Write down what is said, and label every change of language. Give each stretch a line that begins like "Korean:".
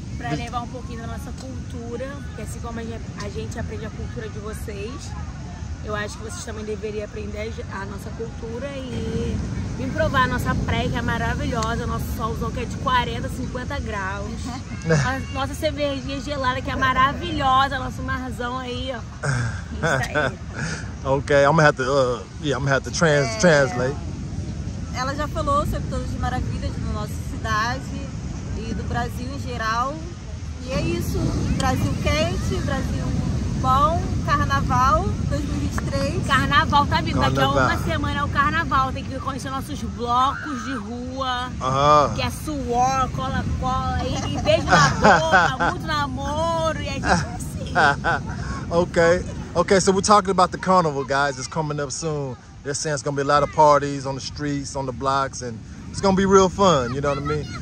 Portuguese: Para levar um pouquinho da nossa cultura, porque assim como a gente aprende a cultura de vocês, eu acho que vocês também deveriam aprender a nossa cultura e vir provar a nossa praia, que é maravilhosa, nosso solzão que é de 40, 50 graus, nossa cervejinha gelada que é maravilhosa, nosso marzão aí, ó. Isso aí.
English: Okay, I'm gonna have to translate.
Portuguese: Ela já falou sobre todas as maravilhas da nossa cidade e do Brasil em geral. E é isso. Brasil quente, Brasil bom, carnaval 2023. Carnaval tá vindo. Daqui a uma semana é o carnaval. Tem que conhecer nossos blocos de rua. Que é suor, cola-cola. E beijo na boca, muito namoro. E a gente é assim.
English: Okay. Okay, so we're talking about the carnival, guys. It's coming up soon. They're saying it's going to be a lot of parties on the streets, on the blocks, and it's going to be real fun, you know what I mean?